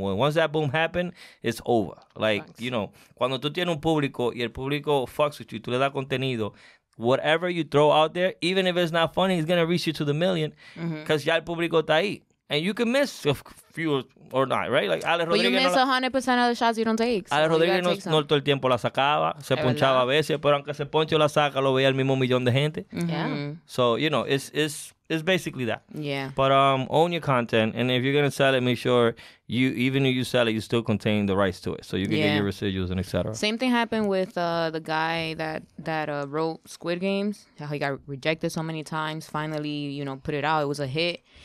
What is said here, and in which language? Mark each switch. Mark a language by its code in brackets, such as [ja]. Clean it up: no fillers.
[en] Well, once that boom happened, it's over. Like, thanks. You know, [es] cuando tú tienes un público y el público [en] fucks with you, [es] tú le das contenido, [en] whatever you throw out there, even if it's not funny, it's going to reach you to the million because mm-hmm. [es] ya el público está ahí. [en] And you can miss a few or not, right? Like Alex Rodriguez. But you miss 100% of the shots you don't take. [es] Alex Rodriguez no todo el tiempo la sacaba, se ponchaba a veces, pero aunque se ponche o la saca, lo veía el mismo millón de gente. [en] Mm-hmm. Yeah. So, you know, it's basically that. Yeah. But own your content, and if you're going to sell it, make sure you, even if you sell it, you still contain the rights to it. So you can get your residuals and et cetera. Same thing happened with the guy that wrote Squid Games. He got rejected so many times, finally, you know, put it out. It was a hit.